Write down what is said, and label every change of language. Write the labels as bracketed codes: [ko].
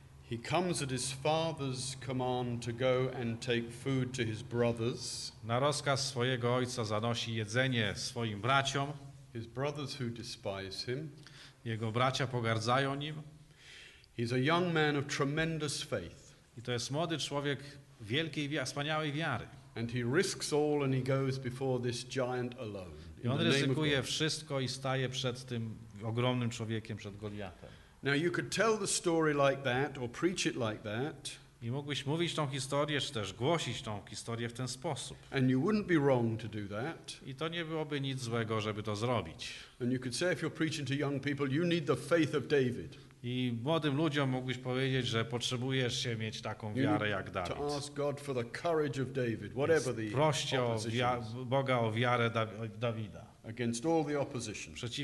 [en] He comes at his father's command to go and take food to his brothers. [pl] Na rozkaz swojego ojca zanosi jedzenie swoim braciom. [en] His brothers who despise him. [pl] Jego bracia pogardzają nim. [en] He's a young man of tremendous faith. [pl] I to jest młody człowiek wielkiej, wspaniałej wiary. [en] And he risks all and he goes before this giant alone. [pl] I on ryzykuje wszystko i staje przed tym ogromnym człowiekiem, przed Goliatem. [en] Now you could tell the story like that or preach it like that. [pl] I mógłbyś mówić tą historię, czy też głosić tą historię w ten sposób. [en] And you wouldn't be wrong to do that. [pl] I to nie byłoby nic złego, żeby to zrobić. [en] And you could say if you're preaching to young people, you need the faith of David. [pl] I młodym ludziom mógłbyś powiedzieć, że potrzebujesz się mieć taką wiarę jak Dawid. [en] To ask God for the courage of David, whatever the opposition. [pl] Boga o wiarę Dawida. [en] Against all the opposition.